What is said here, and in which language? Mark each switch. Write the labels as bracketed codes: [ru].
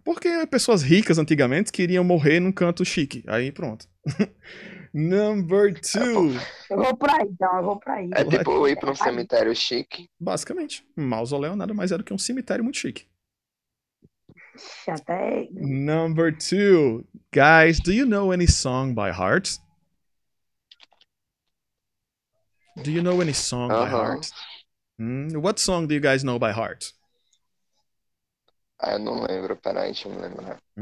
[pt] Porque pessoas ricas antigamente queriam morrer num canto chique. Aí pronto. [en] Number two. [pt] Eu vou pra aí, então. Eu vou pra aí. É tipo ir para um cemitério chique. Basicamente, um mausoléu nada mais era do que um cemitério muito chique. Até... [en] Number two. Guys, do you know any song by heart? Do you know any song by heart? What song do you guys know by heart? [pt] Ah, eu não lembro, peraí, deixa eu me lembrar.